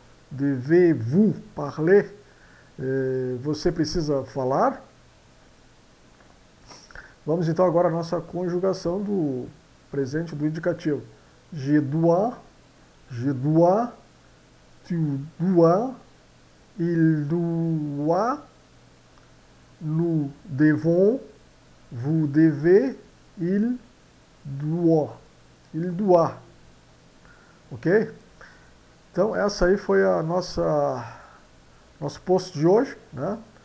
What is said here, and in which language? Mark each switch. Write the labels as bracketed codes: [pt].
[fr] Devez-vous parler? [pt] Você precisa falar? Vamos então agora à nossa conjugação do presente do indicativo. [fr] Je dois, tu dois, il doit, nous devons, vous devez, il doit. [pt] Ok? Então, essa aí foi a nosso posto de hoje, né?